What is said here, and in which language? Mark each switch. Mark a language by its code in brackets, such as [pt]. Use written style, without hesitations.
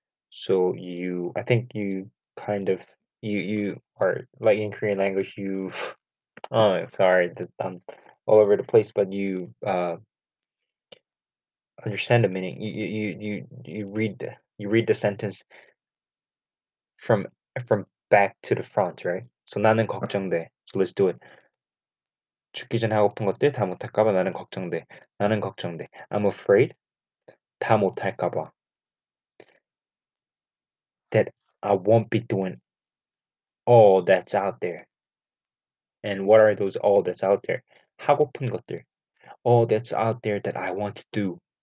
[en] So you, I think you kind of you are like in Korean language you. Oh, sorry that I'm all over the place, but you understand the meaning. You read the sentence from back to the front, right? So [ko] 나는 걱정돼. [en] So let's do it. [ko] 죽기 전에 하고픈 것들 다 못할까봐 나는 걱정돼. 나는 걱정돼. [en] I'm afraid [ko] 다 못할까봐 [en] that I won't be doing all that's out there. And what are those all that's out there? [ko] 하고픈 것들. [en] All that's out there that I want to do.